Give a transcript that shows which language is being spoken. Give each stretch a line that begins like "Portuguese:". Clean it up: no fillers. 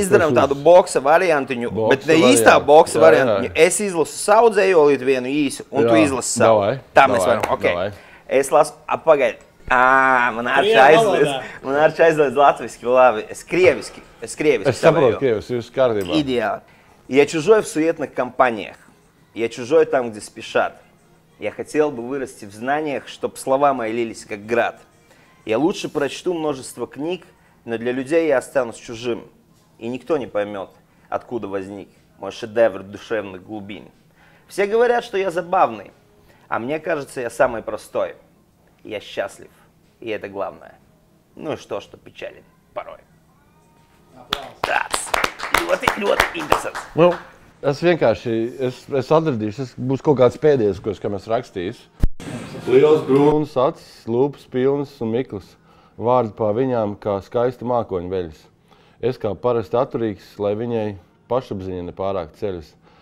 Latvian: izdarām tādu boksa variantiņu, bet ne īstā boksa variantiņu. Es izlasu savu dzejolītu vienu īsu un tu izlasi savu.
Russian: Davai.
Latvian: Tā mēs varam. Ok.
Russian: Davai.
Latvian: Es lasu. Pagaidi. Man arī aizliedz latviski, labi. Es krieviski. Es saprotu krieviski, jūs kārdībā. Ideāli.
Russian: Я чужой в суетных компаниях. Я чужой там, где спешат. Я хотел бы вырасти в знаниях, чтоб слова мои лились, как град. Я лучше прочту множество книг, но для людей я останусь чужим. И никто не поймет, откуда возник мой шедевр душевных глубин. Все говорят, что я забавный, а мне кажется, я самый простой. Я счастлив, и это главное. Ну и что, что печален порой. Аплодисменты.
Latvian: Ļoti, ļoti interesants. Nu, es vienkārši, es atradīšu, es būs kaut kāds pēdējais, ko es kam esmu rakstījis. Liels brūns acis, lūpas pilnas un miklas. Vārdi pār viņām kā skaista mākoņa veļas. Es kā parasti atturīgs, lai viņai pašapziņa nepārāk ceļas.